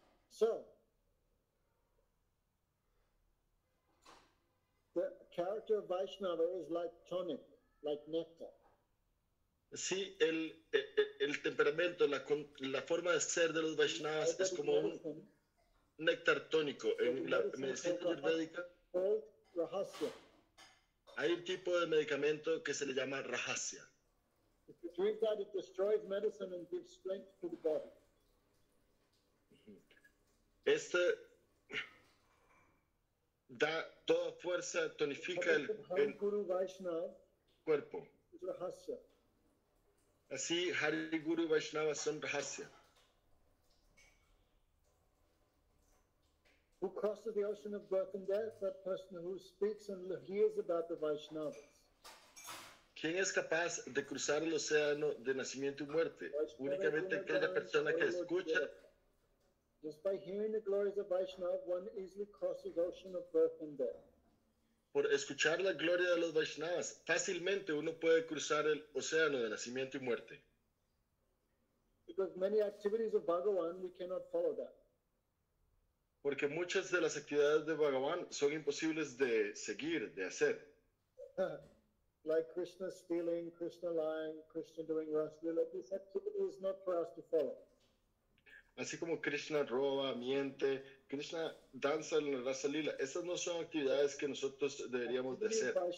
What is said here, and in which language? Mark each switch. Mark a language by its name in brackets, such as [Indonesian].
[English] So, the character of Vaishnava is like tonic, like nectar. [Spanish] Sí, el temperamento, la forma de ser de los Vaishnavas es como un néctar tónico. En la medicina ayurvédica rahasya. Hay un tipo de medicamento que se le llama rahasya. [English] If you drink that, it destroys medicine and gives strength to the body. [Spanish] Este da toda fuerza, tonifica el cuerpo. Así, Hari Guru y Vaishnava son Rahasya. [English] Who crosses the ocean of birth and death? That person who speaks and hears about the Vaishnavas. [Spanish] ¿Quién es capaz de cruzar el océano de nacimiento y muerte? Únicamente aquella persona que escucha. [English] Just by hearing the glories of Vaishnava, one easily crosses the ocean of birth and death. [Spanish] Por escuchar la gloria de los Vaishnavas, fácilmente uno puede cruzar el océano de nacimiento y muerte. [English] Because many activities of Bhagavan, we cannot follow that. [Spanish] Porque muchas de las actividades de Bhagavan son imposibles de seguir, de hacer. [English] Like Krishna stealing, Krishna lying, Krishna doing rasa-lila, this activity is not for us to follow. [Spanish] Así como Krishna roba, miente, Krishna danza en la rasa lila. Esas no son actividades que nosotros deberíamos de hacer.